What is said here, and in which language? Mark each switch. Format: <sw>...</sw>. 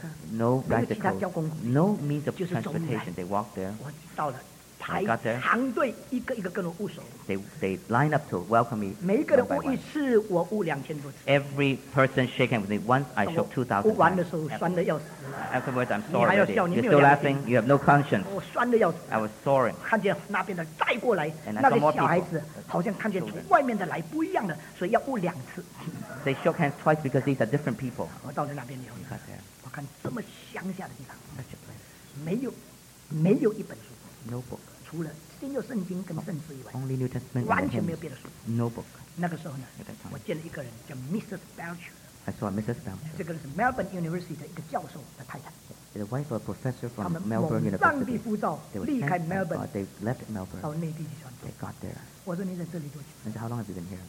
<en>No bicycle. No means of transportation. They walk there.</en> <zh>排长队，一个一个跟我握手。</zh> <en>They line up to welcome me.</en> <zh>每个人握一次，我握2000多次。</zh> <en>Every person shake hands with me once. I shook 2000.</en> <zh>握完的时候酸的要死。</zh> <en>Afterwards, I'm sorry.</en> <zh>你还要笑？你没有</zh> <en>You're still laughing. You have no conscience.</en> <zh>我酸的要死。</zh> <en>I was sorry.</en> <zh>看见那边的再过来，那个小孩子好像看见从外面的来不一样的，所以要握两次。</zh> <en>They shook hands twice because these are different people.</en> <zh>我到了那边以后，我看这么乡下的地方，没有一本书。</zh> <en>No book.</en> <zh>除了新约圣经跟圣诗以外</zh> <en>only New Testament</en> <zh>完全没有别的书</zh> <en>No book.</en> <zh>那个时候呢我见了一个人叫 Mrs.</zh> <en>Belcher I saw Mrs. Belcher</en> <zh>这个人是 Melbourne University 的一个教授的太太</zh> <en>The wife of a professor from Melbourne University</en> <zh>他们猛上帝呼召离开 Melbourne</zh> <en>they left Melbourne</en> <zh>到内地去传</zh> <en>They got there</en> <zh>我说你在这里多久</zh> <en>I said how long have you been here</en>